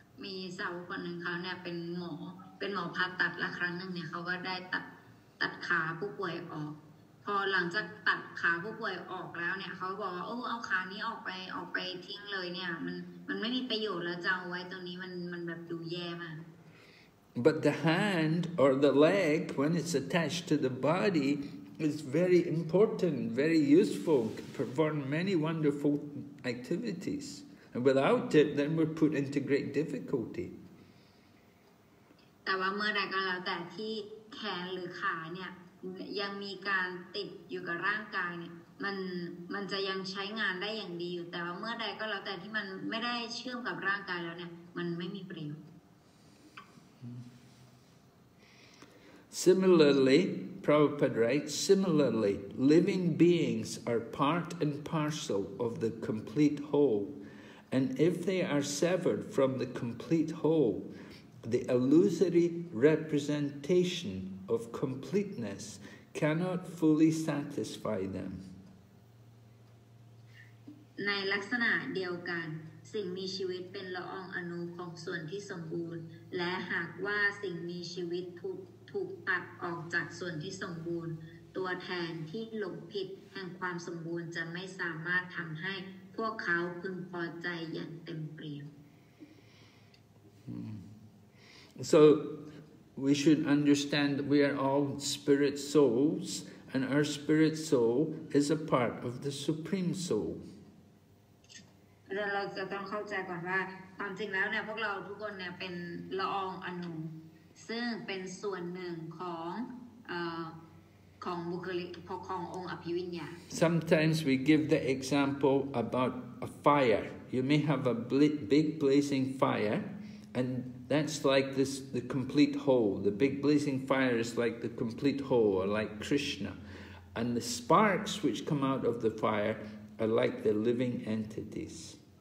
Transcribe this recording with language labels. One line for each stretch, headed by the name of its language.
Thai: มีสาวคนหนึ่งเขาเนี่ยเป็นหมอผ่าตัดละครั้งหนึ่งเนี่ยเขาก็ได้ตัดขาผู้ป่วยออกพอหลังจากตัดขาผู้ป่วยออกแล้วเนี่ยเขาบอกว่าโอ้เอาขานี้ออกไปทิ้งเลยเนี่ยมันไม่มีประโยชน์แล้วจะเอาไว้ตรงนี้มันแบบดูแย่มาก
English: But the hand or the leg, when it's attached to the body, is very important, very useful, can perform many wonderful activities. And without it, then we're put into great difficulty.
Thai: แต่ว่าเมื่อใดก็แล้วแต่ที่แขนหรือขาเนี่ยยังมีการติดอยู่กับร่างกายเนี่ยมันจะยังใช้งานได้อย่างดีอยู่แต่ว่าเมื่อใดก็แล้วแต่ที่มันไม่ได้เชื่อมกับร่างกายแล้วเนี่ยมันไม่มีประโยชน์
English: Similarly, Prabhupada writes, similarly, living beings are part and parcel of the complete whole, and if they are severed from the complete whole, the illusory representation of completeness cannot fully satisfy them.
Thai: ในลักษณะเดียวกันสิ่งมีชีวิตเป็นละอองอนุของส่วนที่สมบูรณ์และหากว่าสิ่งมีชีวิตถูกตัดออกจากส่วนที่สมบูรณ์ตัวแทนที่หลงผิดแห่งความสมบูรณ์จะไม่สามารถทำให้พวกเขาพึงพอใจอย่างเต็มเปี่ยม
English: So we should understand that we are all spirit souls and our spirit soul is a part of the supreme soul
Thai: เราจะต้องเข้าใจก่อนว่าความจริงแล้วเนี่ยพวกเราทุกคนเนี่ยเป็นละอองอนุซึ่งเป็นส่วนหนึ่งของบุคลิกขององค์อภิวิญญา
English: Sometimes we give the example about a fire. You may have a big blazing fire, and that's like this the complete whole. The big blazing fire is like the complete whole, or like Krishna, and the sparks which come out of the fire are like the living entities.